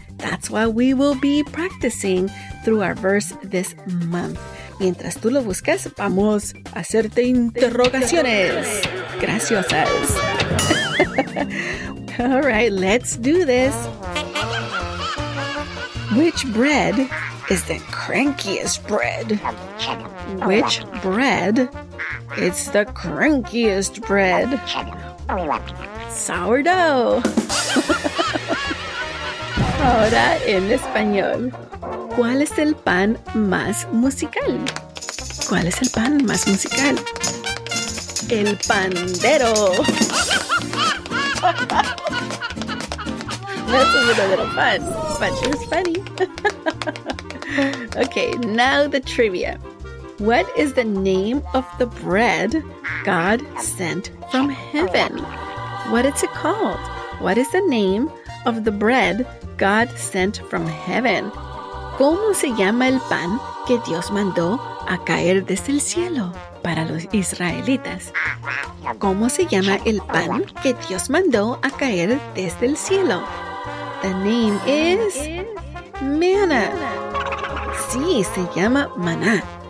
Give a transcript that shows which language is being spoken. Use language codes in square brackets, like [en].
[en] That's why we will be practicing through our verse this month. [es] Mientras tú lo buscas, vamos a hacerte interrogaciones. Graciosas. [en] All right, let's do this. Which bread is the crankiest bread? Which bread is the crankiest bread? Sourdough. [es] Ahora en español. ¿Cuál es el pan más musical? ¿Cuál es el pan más musical? El pandero. [en] That's a little fun, but she was funny. Okay, now the trivia. What is the name of the bread God sent from heaven? What is it called? What is the name of the bread God sent from heaven? [es] ¿Cómo se llama el pan que Dios mandó a caer desde el cielo para los israelitas? ¿Cómo se llama el pan que Dios mandó a caer desde el cielo? [en] The name is manna. [es] Sí, se llama maná.